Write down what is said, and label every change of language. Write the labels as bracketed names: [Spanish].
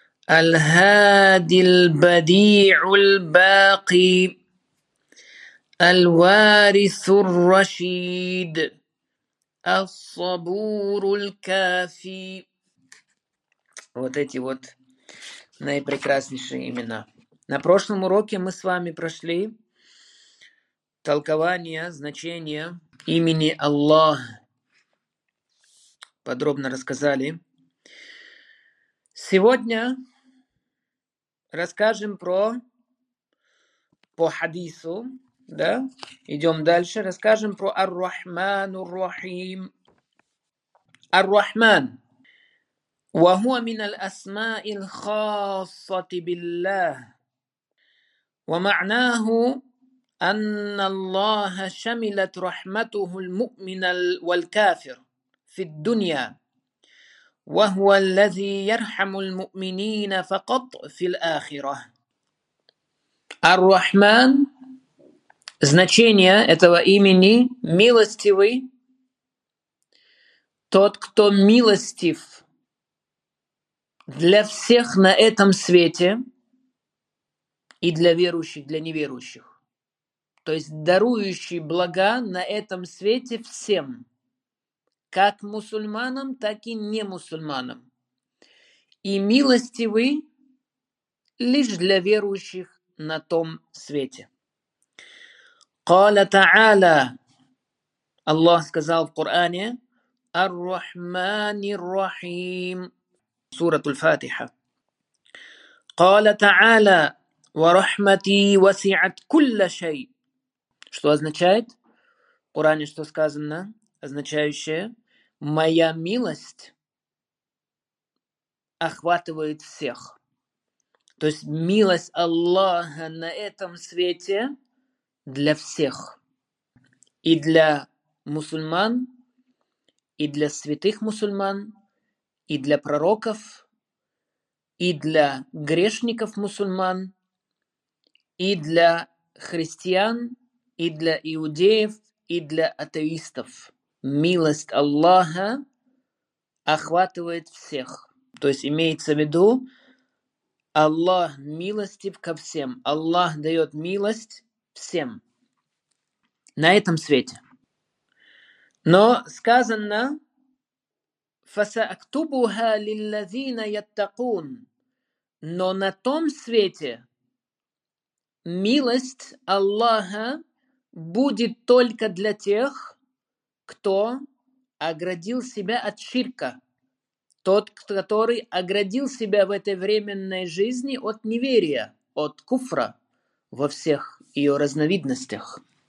[Arabic] الهادي البديع الباقي الوارث الرشيد الصبور الكافي. [Russian] Вот эти вот наипрекраснейшие имена. На прошлом уроке мы с вами прошли толкование, значение имени Аллах. Подробно рассказали. Сегодня расскажем про по хадису, да? Идем дальше. Расскажем про Ар-Рахман, Ар-Рахим. Ар-Рахман. [Arabic] وهو من الأسماء الخاصة بالله ومعناه أن الله شملت رحمته المؤمن والكافر في الدنيا وهو الذي يرحم المؤمنين فقط في الآخرة. [Russian] الرحمن значение этого имени милостивый, тот, кто милостив для всех на этом свете и для верующих, для неверующих. То есть дарующий блага на этом свете всем, как мусульманам, так и не мусульманам. И милостивы лишь для верующих на том свете. [Arabic] قال تعالى, [Russian] Аллах сказал в Коране, Ар-Рахмани Ар-Рахим. [Arabic] سورة الفاتحة قال تعالى ورحمتي وسعت كل شيء. [Russian] Что означает? В Коране что сказано? Означающее моя милость охватывает всех. То есть милость Аллаха на этом свете для всех. И для мусульман, и для святых мусульман, и для пророков, и для грешников-мусульман, и для христиан, и для иудеев, и для атеистов. Милость Аллаха охватывает всех. То есть имеется в виду, Аллах милостив ко всем. Аллах дает милость всем на этом свете. Но сказано, [Arabic] فَسَأَكْتُبُهَا لِلَّذِينَ يَتَّقُونَ. [Russian] Но на том свете милость Аллаха будет только для тех, кто оградил себя от ширка. Тот, который оградил себя в этой временной жизни от неверия, от куфра во всех ее разновидностях.